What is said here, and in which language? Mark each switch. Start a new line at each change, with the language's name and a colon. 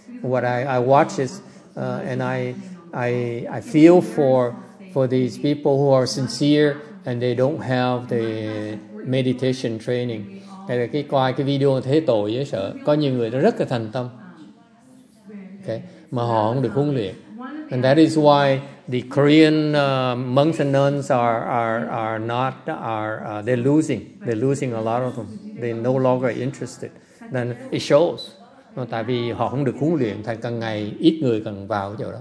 English: What I watch is and I feel for these people who are sincere and they don't have the meditation training.
Vietnamese: Tại vì qua cái video này thấy tội dễ sợ. Có nhiều người rất là thành tâm. Okay. Mà họ không được huấn luyện.
English: And that is why the Korean monks and nuns are losing a lot of them. They're no longer interested. Then it shows.
Vietnamese: Tại vì họ không được huấn luyện thành càng ngày ít người cần vào chỗ đó.